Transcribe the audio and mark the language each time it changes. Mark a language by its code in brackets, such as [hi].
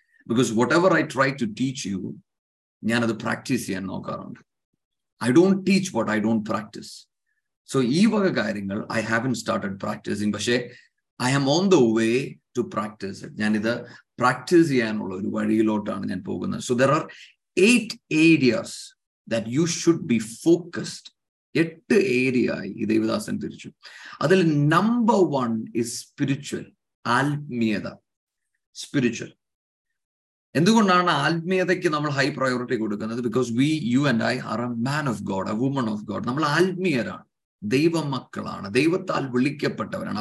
[en] because whatever I try to teach you, [ml] ഞാനത് practice ചെയ്യാൻ നോക്കാറുണ്ട്. [en] I don't teach what I don't practise. So [ml] ഈ വക കാര്യങ്ങൾ [en] I haven't started practising, [ml] പക്ഷേ [en] I am on the way to practise it. [ml] ഞാനിത് practice ചെയ്യാനുള്ള ഒരു വഴിയിലോട്ടാണ് ഞാൻ പോകുന്നത്. [en] So there are 8 areas that you should be focused. [ml] 8 areas ഈ ദൈവദാസൻ തിരിച്ചു. അതിൽ നമ്പർ 1 is സ്പിരിച്വൽ, ആത്മീയത. സ്പിരിച്വൽ എന്തുകൊണ്ടാണ് ആത്മീയതയ്ക്ക് നമ്മൾ ഹൈ പ്രയോറിറ്റി കൊടുക്കുന്നത്? [en] Because we, you and I are a man of God, a woman of God. [ml] നമ്മൾ ആത്മീയരാണ്, ദൈവമക്കളാണ്, ദൈവത്താൽ വിളിക്കപ്പെട്ടവരാണ്.